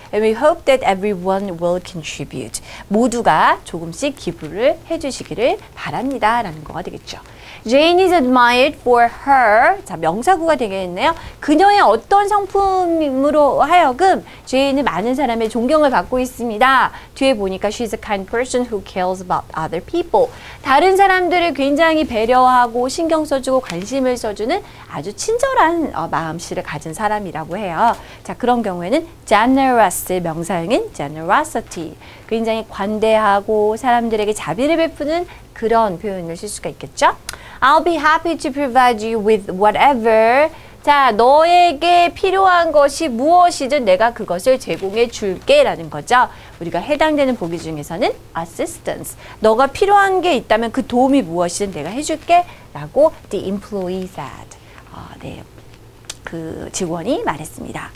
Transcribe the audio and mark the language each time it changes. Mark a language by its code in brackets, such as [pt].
[en] And we hope that everyone will contribute. [ko] 모두가 조금씩 기부를 해주시기를 바랍니다. 라는 거가 되겠죠. [en] Jane is admired for her. [ko] 자, 명사구가 되겠네요. 그녀의 어떤 성품으로 하여금 Jane은 많은 사람의 존경을 받고 있습니다. 뒤에 보니까 [en] she's a kind person who cares about other people. [ko] 다른 사람들을 굉장히 배려하고 신경 써주고 관심을 써주는 아주 친절한 마음씨를 가진 사람이라고 해요. 자, 그런 경우에는 generous의 명사형인 generosity. 굉장히 관대하고 사람들에게 자비를 베푸는 그런 표현을 쓸 수가 있겠죠. [en] I'll be happy to provide you with whatever. [ko] 자, 너에게 필요한 것이 무엇이든 내가 그것을 제공해 줄게 라는 거죠. 우리가 해당되는 보기 중에서는 assistance. 너가 필요한 게 있다면 그 도움이 무엇이든 내가 해줄게 라고 [en] the employee said. [ko] 네, 그 직원이 말했습니다.